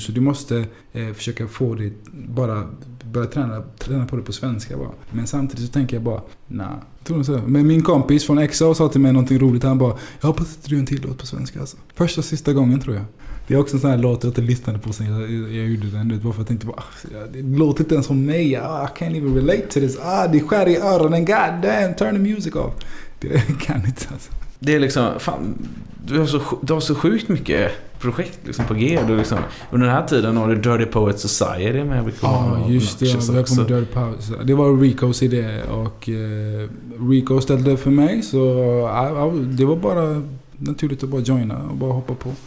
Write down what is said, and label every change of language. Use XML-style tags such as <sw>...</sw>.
<sv>Så du måste försöka få det bara... Börja träna på det på svenska bara. Men samtidigt så tänker jag bara, nej. Men min kompis från XO sa till mig någonting roligt. Han bara, jag hoppas att du gör en till låt på svenska alltså. Första och sista gången, tror jag. Det är också en sån här låt jag inte lyssnade på sen jag gjorde den. Det var för att jag tänkte bara, det låter inte ens som mig.</sv> <en>I can't even relate to this.</en> <sv>Det skär i öronen.</sv> <en>God damn, turn the music off.</en> <sv>Det kan inte alltså. Det är liksom, fan, du har så sjukt mycket projekt liksom på G. Du liksom, under den här tiden har du Dirty Poet Society med Rico. Ja, just det. Jag kom med Dirty Poet Society. Det var Ricos idé och Rico ställde det för mig. Så det var bara naturligt att bara joina och bara hoppa på.</sv>